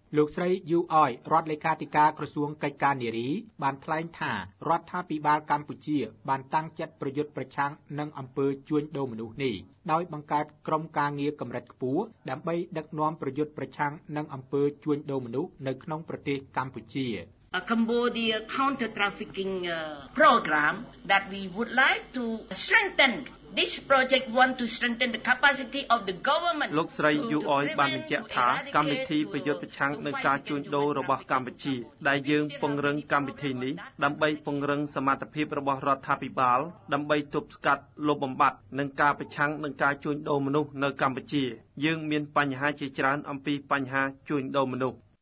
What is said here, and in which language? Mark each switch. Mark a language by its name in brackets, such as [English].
[Khmer] លោកស្រី Yu Oi រដ្ឋលេខាធិការក្រសួងកិច្ចការនារីបានថ្លែងថារដ្ឋាភិបាលកម្ពុជាបានតាំងចិត្តប្រយុទ្ធប្រឆាំងនឹងអំពើជួញដូរមនុស្សនេះដោយបង្កើតក្រុមការងារកម្រិតខ្ពស់ដើម្បីដឹកនាំប្រយុទ្ធប្រឆាំងនឹងអំពើជួញដូរមនុស្សនៅក្នុងប្រទេសកម្ពុជា [English] A Cambodia counter trafficking program that we would like to strengthenThis project want to strengthen the capacity of the government. [Khmer] លោកស្រី Yu Oi បានបញ្ជាក់ថាកម្មវិធីប្រយុទ្ធប្រឆាំងនឹងការជួញដូររបស់កម្ពុជាដែលយើងពង្រឹងកម្មវិធីនេះដើម្បីពង្រឹងសមត្ថភាពរបស់រដ្ឋាភិបាលដើម្បីទប់ស្កាត់លុបបំបាត់នឹងការប្រឆាំងនឹងការជួញដូរមនុស្សនៅកម្ពុជាយើងមានបញ្ហាជាច្រើនអំពីបញ្ហាជួញដូរមនុស្ស